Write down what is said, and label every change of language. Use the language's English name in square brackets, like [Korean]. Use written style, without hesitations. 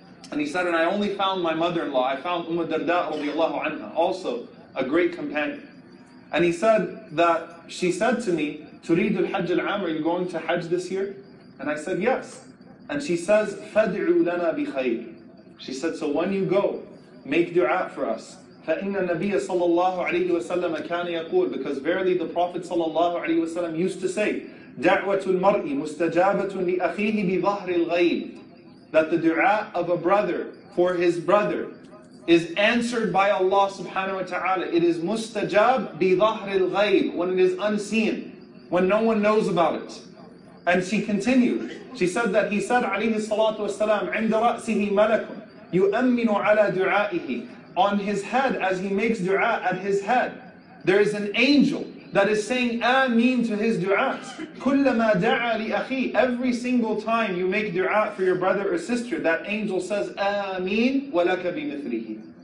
[English] And he said, and I only found my mother-in-law, I found Umm Darda radiallahu anha, also a great companion. And he said that she said to me, [Arabic] تُرِيدُ الْحَجِّ الْعَامِ, [English] are you going to Hajj this year? And I said, yes. And she says, [Arabic] فَدْعُوا لَنَا بِخَيْرٍ. [English] She said, so when you go, make du'a for us. [Arabic] فَإِنَّ النَّبِيَّ صَلَّى اللَّهُ عَلَيْهِ وَسَلَّمَ كَانَ يَقُولُ. [English] Because verily the Prophet صلى الله عليه وسلم used to say, [Arabic] دَعْوَةُ الْمَرْءِ مُسْتَجَابَةٌ لِأَخِيهِ بِظَهْرِ الْغَيْبِ. [English] That the du'a of a brother for his brother is answered by Allah subhanahu wa ta'ala. It is [Arabic] مُسْتَجَاب بِظَهْرِ الْغَيْبِ. [English] When it is unseen, when no one knows about it. And she continued. She said that he said, [Arabic] عَلَيْهِ الصَّلَاةُ وَالسَّلَامُ عِنْدَ رَأْسِهِ مَلَكٌ يُؤَمِّنُ عَلَى دُعَائِهِ. [English] On his head, as he makes du'a at his head, there is an angel that is saying Ameen to his du'as. [Arabic] كُلَّمَا دَعَى لِأَخِي. [English] Every single time you make du'a for your brother or sister, that angel says Ameen [Arabic] وَلَكَ بِمِثْرِهِ.